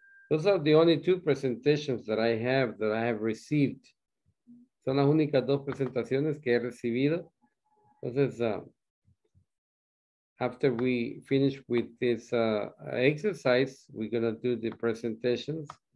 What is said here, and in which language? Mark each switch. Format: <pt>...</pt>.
<en>Those are the only two presentations that I have received.</en> <es>Son las únicas dos presentaciones que he recibido. Entonces,</es> <en>after we finish with this exercise, we're gonna do the presentations.</en>